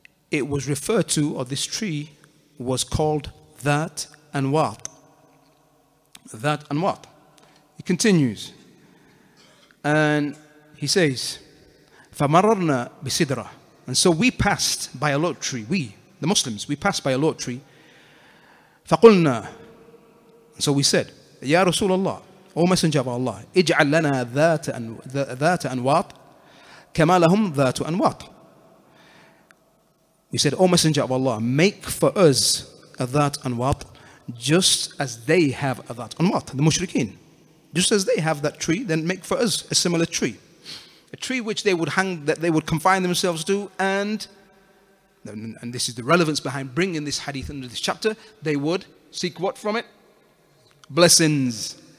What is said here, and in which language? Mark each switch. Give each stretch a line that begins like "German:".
English: It was referred to, or this tree was called that and what? That and what? He continues. And he says,
Arabic: فَمَرَرْنَا بِسِدْرَةً.
English: And so we passed by a low tree. We, the Muslims, we passed by a low tree.
Arabic: فَقُلْنَا.
English: And so we said,
Arabic: يَا رَسُولَ اللَّهِ,
English: O Messenger of Allah,
Arabic: اِجْعَلْ لَنَا ذَاتَ أَنْوَاطْ كَمَا لَهُمْ ذَاتُ أَنْوَاطْ.
English: We said, O Messenger of Allah, make for us a ذات أَنْوَاطْ just as they have a ذات أَنْوَاطْ, the mushrikeen. Just as they have that tree, then make for us a similar tree. A tree which they would hang, that they would confine themselves to, and this is the relevance behind bringing this hadith under this chapter, they would seek what from it? Blessings.